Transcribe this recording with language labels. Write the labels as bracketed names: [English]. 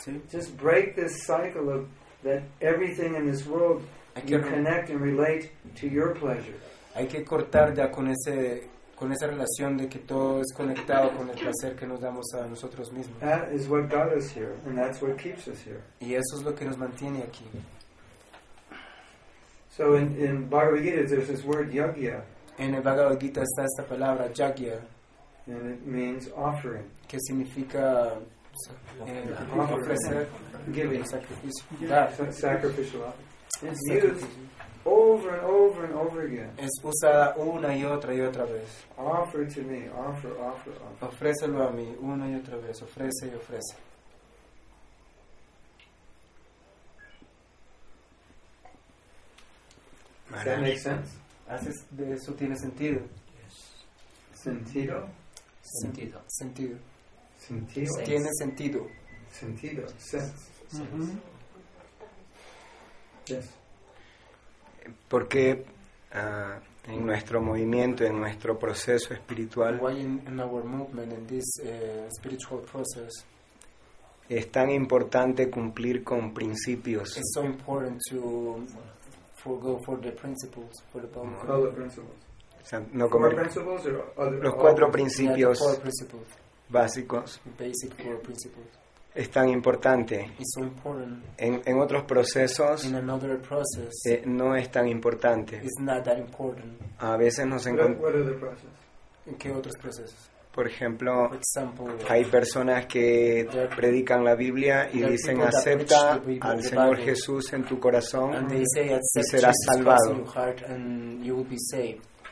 [English] Just break this cycle of that everything in this world you connect and relate to your pleasure. [Spanish] Hay que cortar ya con esa relación de que todo es conectado con el placer que nos damos a nosotros mismos. [English] That is what got us here, and that's what keeps us here. [Spanish] Y eso es lo que nos mantiene aquí. [English] So in Bhagavad Gita there's this word yagya. [Spanish] En el Bhagavad Gita está esta palabra yagya. [English] And it means offering. [Spanish] Que significa ofrecer, [English] giving, [Spanish] sacrificio. [English] Sacrificial offering. It's used over and over and over again. [Spanish] Es usada una y otra vez. [English] Offer to me. Offer. [Spanish] Ofrécelo a mí una y otra vez. Ofrece y ofrece. [English] Does that make sense? [Spanish] ¿Haces de eso tiene sentido? [English] Yes. [Spanish] Sentido. Sentido. Sentido. Sentido. Tiene sentido. Sentido. Sense. Porque en nuestro movimiento, en nuestro proceso espiritual, [English] why in our movement, in this spiritual process, [Spanish] es tan importante cumplir con principios. [English] It's so important to forego for the principles, for the principles. All the principles. [Spanish] O sea, no comer. [English] Four principles or other, [Spanish] los cuatro principios básicos. [English] Basic four principles. [Spanish] Es tan importante. [English] It's so important. [Spanish] En otros procesos, [English] in another process, [Spanish] no es tan importante. [English] It's not that important. [Spanish] A veces nos encontramos. ¿En qué otros procesos? Por ejemplo, [English] for example, [Spanish] hay personas que predican la Biblia y dicen, acepta al Señor Jesús en tu corazón [English] say, [Spanish] y serás salvado. [English] In your heart and you will be saved.